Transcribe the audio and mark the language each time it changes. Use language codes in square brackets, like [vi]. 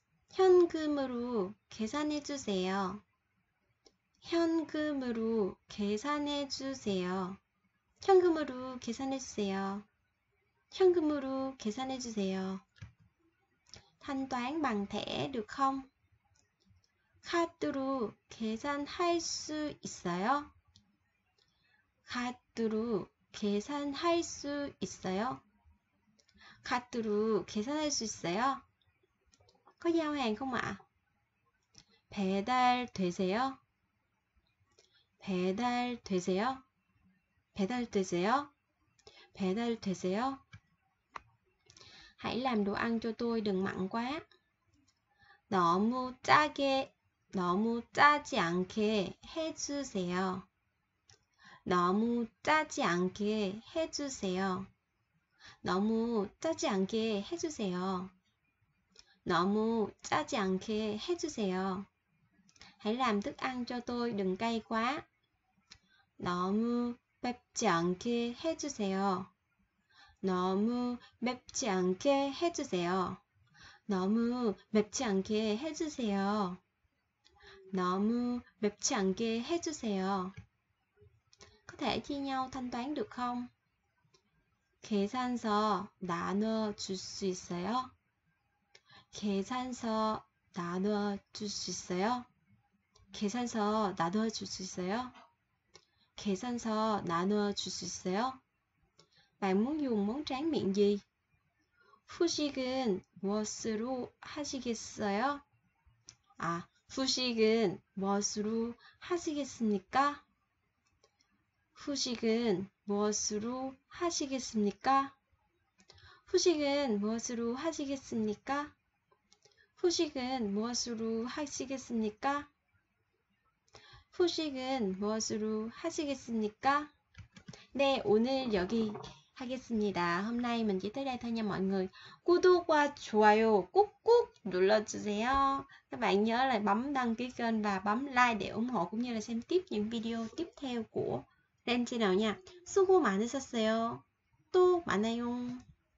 [ko] 현금으로 계산해 주세요. 현금으로 계산해 주세요. 현금으로 계산해 주세요. 현금으로 계산해 주세요. [vi] 한 toán bằng thẻ được không? [ko] 카드로 계산할 수 있어요? 카드로 계산할 수 있어요? 카드로 계산할 수 있어요? [vi] Có giao hàng không ạ? [ko] 배달 되세요? 배달 되세요? 배달 되세요? 배달 되세요? [vi] Hãy làm đồ ăn cho tôi đừng mặn quá. [ko] 너무 짜게, 너무 짜지 않게 해주세요. 너무 짜지 않게 해주세요. 너무 짜지 않게 해주세요. 너무 짜지 않게 해주세요. [vi] Hãy làm thức ăn cho tôi đừng cay quá. [ko] 너무 맵지 않게 해주세요. 너무 맵지 않게 해주세요. 너무 맵지 않게 해주세요. 너무 맵지 않게 해주세요. [vi] Có thể chia nhau thanh toán được không? [ko] 계산서 나눠 줄수 있어요? 계산서 나눠 줄수 있어요? 계산서 나눠 줄수 있어요? 계산서 나눠 줄수 있어요? [vi] Bạn muốn dùng món tráng miệng gì? [ko] 후식은 무엇으로 하시겠어요? 아, 후식은 무엇으로 하시겠습니까? 후식은 무엇으로 하시겠습니까? 후식은 무엇으로 하시겠습니까? 후식은 무엇으로 하시겠습니까? 후식은 무엇으로 하시겠습니까? 네, 오늘 여기 하겠습니다. [vi] Hôm nay mình chỉ tới đây thôi nha mọi người. [ko] 구독과 좋아요 꾹꾹 눌러주세요. [vi] Các bạn nhớ là bấm đăng ký kênh và bấm like để ủng hộ cũng như là xem tiếp những video tiếp theo của Ren Channel nha. [ko] 수고 많으셨어요. 또 만나요.